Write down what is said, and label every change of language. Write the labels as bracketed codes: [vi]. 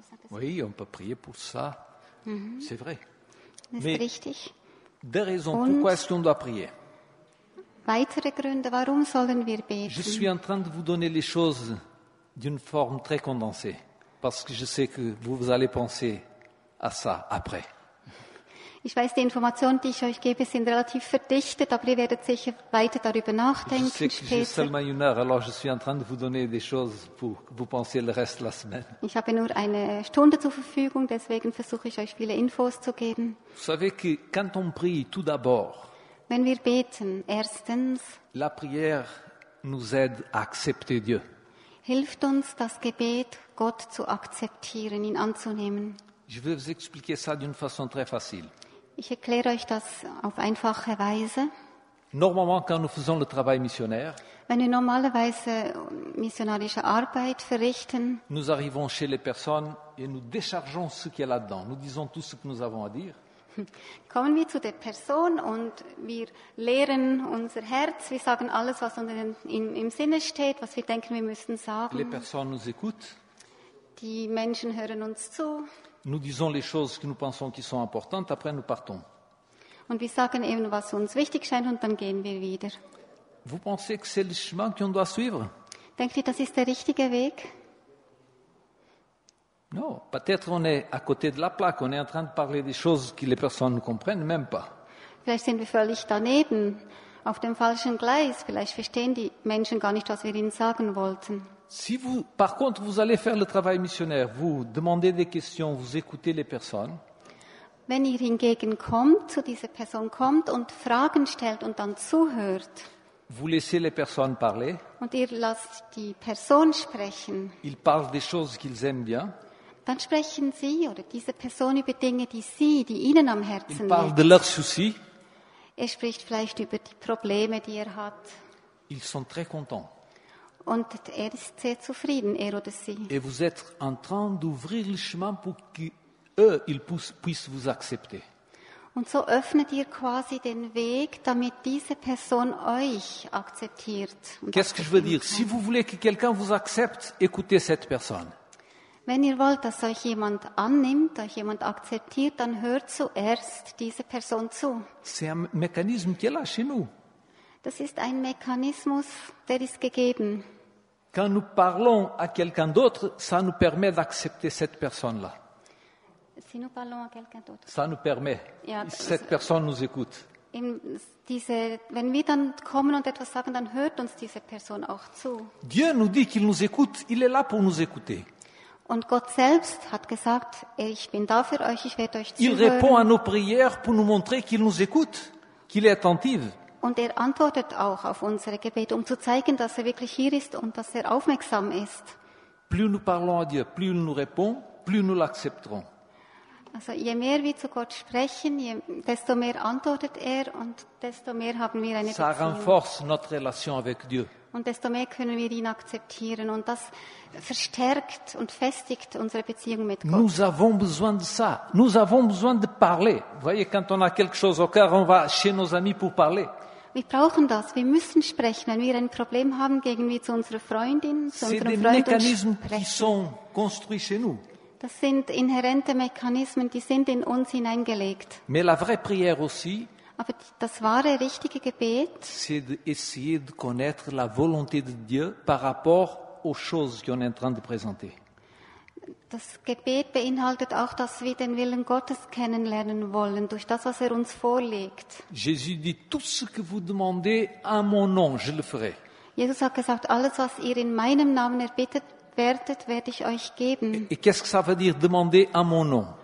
[fr] Oui, on peut prier pour ça. Mm-hmm. C'est vrai. Mais [de] richtig. [fr] Des raisons pourquoi est-ce qu'on doit prier. [de] Weitere Gründe, warum sollen wir beten? [fr] Je suis en train de vous donner les choses d'une forme très condensée, parce que je sais que vous allez penser à ça après. [de] Ich weiß, die Informationen, die ich euch gebe, sind relativ verdichtet, aber ihr werdet sicher weiter darüber nachdenken. [fr] Je sais que j'ai seulement une heure, alors je suis en train de vous donner des choses pour que vous pensiez le reste de la semaine. [de] Ich habe nur eine Stunde zur Verfügung, deswegen versuche ich euch viele Infos zu geben. [fr] Vous savez que quand on prie, tout d'abord, [de] wenn wir beten, erstens, [fr] la prière nous aide à accepter Dieu. [de] Hilft uns das Gebet, Gott zu akzeptieren, ihn anzunehmen. [fr] Je vais vous expliquer ça d'une façon très facile. [de] Ich erkläre euch das auf einfache Weise. [fr] Normalement, quand nous faisons le travail missionnaire, [de] wenn wir normalerweise missionarische Arbeit verrichten, [fr] nous arrivons chez les personnes et nous déchargeons ce qu'il y a là-dedans. Nous disons tout ce que nous avons à dire. [de] Kommen wir zu der Person und wir leeren unser Herz. Wir sagen alles, was uns im Sinne steht, was wir denken, wir müssen sagen. [fr] Les personnes nous écoutent. [de] Die Menschen hören uns zu. [fr] Nous disons les choses que nous pensons qui sont importantes, après nous partons. [de] Und wir sagen eben, was uns wichtig scheint, und dann gehen wir wieder. [fr] Vous pensez que c'est le chemin qu'on doit suivre? [de] Denkt ihr, das ist der richtige Weg? [fr] Non, peut-être on est à côté de la plaque, on est en train de parler des choses que les personnes ne comprennent même pas. [de] Vielleicht sind wir völlig daneben, auf dem falschen Gleis. Vielleicht verstehen die Menschen gar nicht, was wir ihnen sagen wollten. [fr] Si vous, par contre, vous allez faire le travail missionnaire, vous demandez des questions, vous écoutez les personnes. [de] Wenn ihr hingegen kommt, zu dieser Person kommt und Fragen stellt und dann zuhört. [fr] Vous laissez les personnes parler. [de] Und ihr lasst die Person sprechen. [fr] Ils parlent des choses qu'ils aiment bien. [de] Dann sprechen sie oder diese Person über Dinge, die sie, die ihnen am Herzen liegen. [fr] Ils parlent de leurs soucis. [de] Er spricht vielleicht über die Probleme, die er hat. [fr] Ils sont très contents. [de] Und er ist sehr zufrieden, er oder sie. [fr] Et vous êtes en train d'ouvrir le chemin pour qu'eux, ils puissent vous accepter. [de] Und so öffnet ihr quasi den Weg, damit diese Person euch akzeptiert. [fr] Qu'est-ce que je veux dire? Si vous voulez que quelqu'un vous accepte, écoutez cette personne. [de] Wenn ihr wollt, dass euch jemand annimmt, euch jemand akzeptiert, dann hört zuerst diese Person zu. [fr] C'est un mécanisme qui est là chez nous. [de] Das ist ein Mechanismus, der ist gegeben. [fr] Quand nous parlons à quelqu'un d'autre, ça nous permet d'accepter cette personne-là. Si nous parlons à quelqu'un d'autre. Ça nous permet. [de] Ja, [fr] cette personne nous écoute. [de] Wenn wir dann kommen und etwas sagen, dann hört uns diese Person auch zu. [fr] Dieu nous dit qu'il nous écoute, il est là pour nous écouter. [de] Und Gott selbst hat gesagt, ich bin da für euch, ich werde euch zuhören. [fr] Il répond à nos prières pour nous montrer qu'il nous écoute, qu'il est attentif. [de] Und er antwortet auch auf unsere Gebete, um zu zeigen, dass er wirklich hier ist und dass er aufmerksam ist. [fr] Plus nous parlons à Dieu, plus il nous répond, plus nous l'accepterons. [de] Also je mehr wir zu Gott sprechen, desto mehr antwortet er und desto mehr haben wir eine Beziehung. [fr] Ça renforce notre relation avec Dieu. [de] Und desto mehr können wir ihn akzeptieren und das verstärkt und festigt unsere Beziehung mit Gott. [fr] Nous avons besoin de ça. Nous avons besoin de parler. Vous voyez, quand on a quelque chose au cœur, on va chez nos amis pour parler. [de] Wir brauchen das. Wir müssen sprechen, wenn wir ein Problem haben, gehen wir zu unserer Freundin, zu unserem Freund und sprechen. [fr] C'est des mécanismes qui sont construits chez nous. [de] Das sind inhärente Mechanismen, die sind in uns hineingelegt. [fr] Mais la vraie prière aussi. [de] Aber das wahre, richtige Gebet. [fr] C'est d'essayer de connaître la volonté de Dieu par rapport aux choses qu'on est en train de présenter. [de] Das Gebet beinhaltet auch, dass wir den Willen Gottes kennenlernen wollen durch das, was er uns vorlegt. [fr] Jésus dit tout ce que vous demandez en mon nom, je le ferai. [de] Jesus hat gesagt, alles, was ihr in meinem Namen erbittet, werde ich euch geben. [fr] Et qu'est-ce que ça veut dire demander en mon nom?